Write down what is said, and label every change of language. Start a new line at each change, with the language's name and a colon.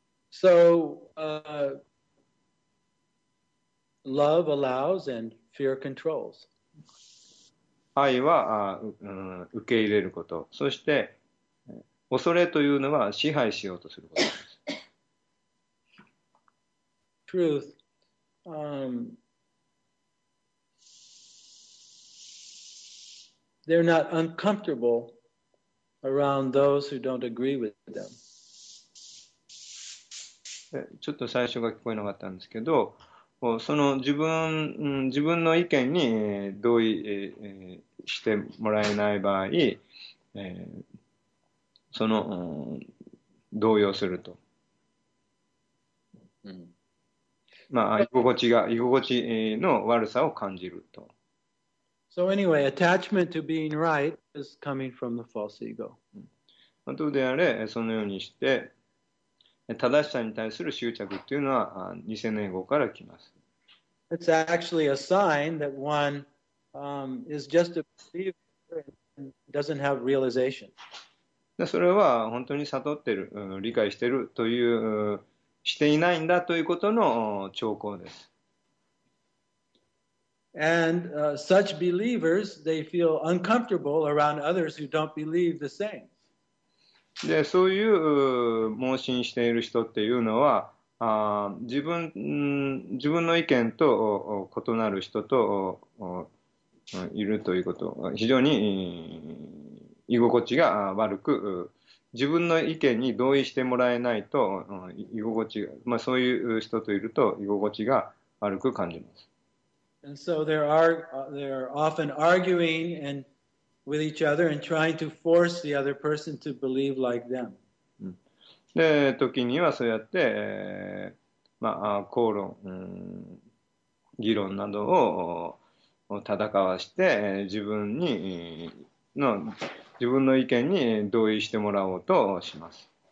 English: So, love allows and fear controls.
Japanese: 愛は、受け入れること。そして、恐れというのは支配しようとすることです。
English: Truth, they're not uncomfortable around those who don't agree with them.
Japanese: ちょっと最初が聞こえなかったんですけど、その自分の意見に同意してもらえない場合、その動揺すると、まあ居心地の悪さを感じると。
English: So anyway, attachment to being right is coming from the false ego.
Japanese: どうであれ、そのようにして。正しさに対する執着というのは偽のエゴから来ます。
English: It's actually a sign that one is just a believer and doesn't have realization.
Japanese: それは本当に悟っている、理解しているという、していないんだということの兆候です。
English: And such believers, they feel uncomfortable around others who don't believe the same.
Japanese: でそういう妄信している人っていうのは自分の意見と異なる人といるということ非常に居心地が悪く自分の意見に同意してもらえないと居心地、まあ、そういう人といると居心地が悪く感じます。
English: And so they're often arguing andwith each other and trying to force the other person to believe like them.
Japanese: で、時にはそうやって、まあ、口論、議論などを戦わして、自分の意見に同意してもらおうとします。